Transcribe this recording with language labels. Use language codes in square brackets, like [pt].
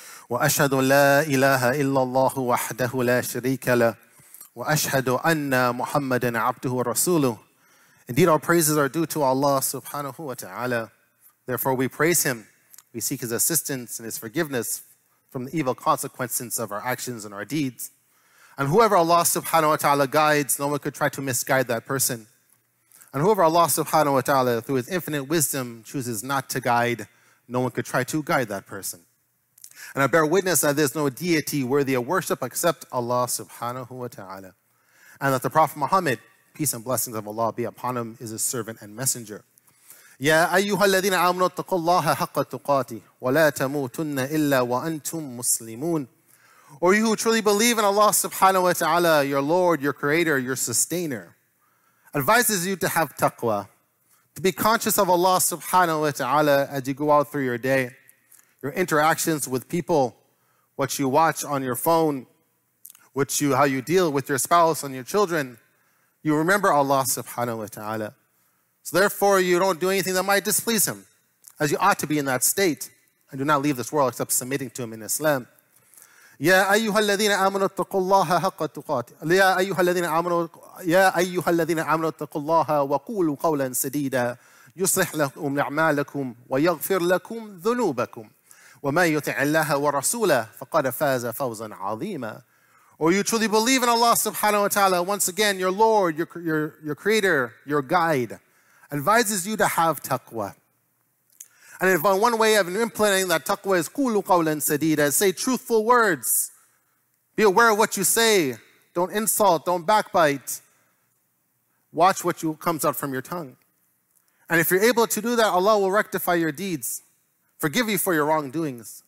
[ar] وأشهد لا إله إلا الله وحده لا شريك له وأشهد أن محمدا عبده ورسوله [en] Indeed our praises are due to Allah [ar] سبحانه وتعالى [en] Therefore we praise him, we seek his assistance and his forgiveness from the evil consequences of our actions and our deeds. And whoever Allah subhanahu wa ta'ala guides, no one could try to misguide that person. And whoever Allah subhanahu wa ta'ala, through his infinite wisdom, chooses not to guide, no one could try to guide that person. And I bear witness that there's no deity worthy of worship except Allah subhanahu wa ta'ala. And that the Prophet Muhammad, peace and blessings of Allah be upon him, is his servant and messenger. [ar] يا أيها الذين آمنوا اتقوا الله حق تقاته ولا تموتن إلا وأنتم مسلمون [en] Or you who truly believe in Allah subhanahu wa ta'ala, your Lord, your Creator, your Sustainer, advises you to have taqwa, to be conscious of Allah subhanahu wa ta'ala as you go out through your day, your interactions with people, what you watch on your phone, how you deal with your spouse and your children, you remember Allah subhanahu wa ta'ala. So therefore, you don't do anything that might displease him, as you ought to be in that state, and do not leave this world except submitting to him in Islam. [ar] يَا أَيُّهَا الَّذِينَ آمَنُوا اتَّقُوا اللَّهَ حَقَّ تُقَاتِهِ يَا أَيُّهَا الَّذِينَ آمَنُوا اتَّقُوا اللَّهَ وَقُولُوا قَوْلًا سَدِيدًا يُصْلِحْ لَكُمْ أَعْمَالَكُمْ وَيَغْفِرْ لَكُمْ ذُنُوبَكُمْ وَمَن يُطِعِ اللَّهَ وَرَسُولَهُ فَقَدْ فَازَ فَوْزًا عَظِيمًا [en] Or you truly believe in Allah subhanahu wa ta'ala, once again, your Lord, your Creator, your guide, advises you to have taqwa. And if one way of implementing that taqwa is [ar] قُولُ قَوْلًا سَدِيدًا [en] Say truthful words. Be aware of what you say. Don't insult. Don't backbite. Watch what comes out from your tongue. And if you're able to do that, Allah will rectify your deeds, forgive you for your wrongdoings.